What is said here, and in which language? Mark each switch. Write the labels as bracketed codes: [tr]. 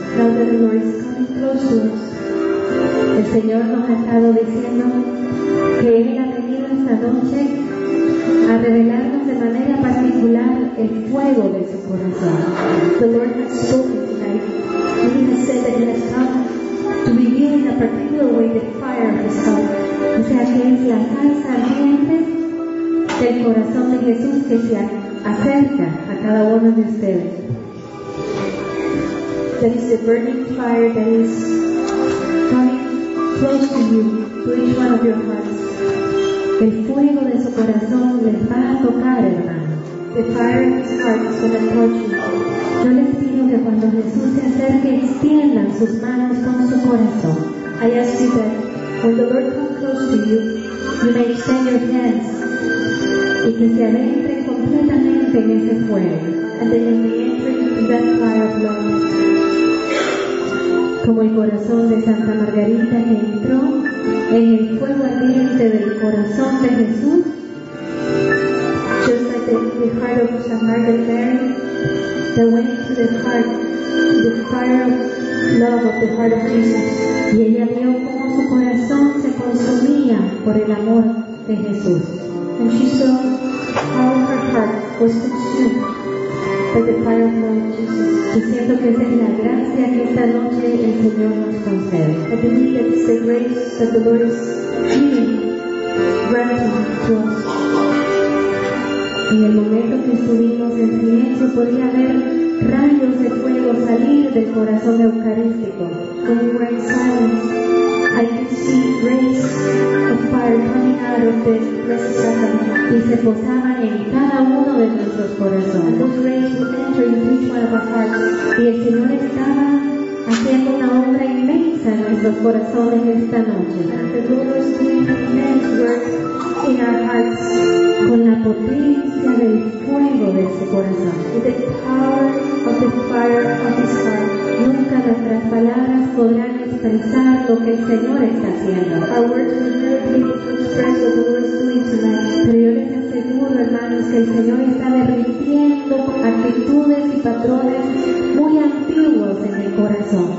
[en] Now that the Lord is coming close to us. [es] El Señor nos ha estado diciendo que Él ha venido esta noche a revelarnos de manera particular el fuego de su corazón. [en] The Lord has spoken tonight, and He has said that He has come to reveal in a particular way the fire of His heart. [es] O sea, que es la salsa ardiente del corazón de Jesús que se acerca a cada uno de ustedes. [en] That is the burning fire that is coming close to you, to each one of your hearts. [es] El fuego de su corazón les va a tocar, hermano. [en] The fire in his heart is going to approach you. [es] Yo les pido que cuando Jesús se acerque, extiendan sus manos con su corazón. [en] I ask you that when the Lord comes close to you, you may extend your hands. [es] Y que se adentren completamente en ese fuego. [en] And then you may enter into that fire of love. [es] Como el corazón de Santa Margarita que entró en el fuego ardiente del corazón de Jesús, [en] just like the heart of Santa Margarita that went into the fire of love of the heart of Jesus. [es] Y ella vio cómo su corazón se consumía por el amor de Jesús. [en] And she saw how her heart was consumed. The fire of Jesus. [es] Y siento que esa es la gracia que esta noche el Señor nos concede. [en] I believe that it's the grace that the Lord is giving, granting to us. [es] En el momento que estuvimos en silencio, podía ver rayos de fuego salir del corazón eucarístico. [en] When we were in silence, I could see rays of fire coming out of the blessed sacrament. [es] Y se posaban en cada uno de nuestros corazones. [en] Those rays would enter into each one of our hearts. [es] Y el Señor estaba haciendo una obra inmensa en nuestros corazones esta noche. [en] The Lord was doing an immense work in our hearts. [es] Con la potencia del fuego de su corazón. [en] With the power of the fire of his heart. [es] Nunca nuestras palabras podrán expresar lo que el Señor está haciendo. [en] Our words will never be able to express what the Lord is doing tonight. [es] Pero yo les aseguro, hermanos, que el Señor está derritiendo actitudes y patrones muy antiguos en el corazón.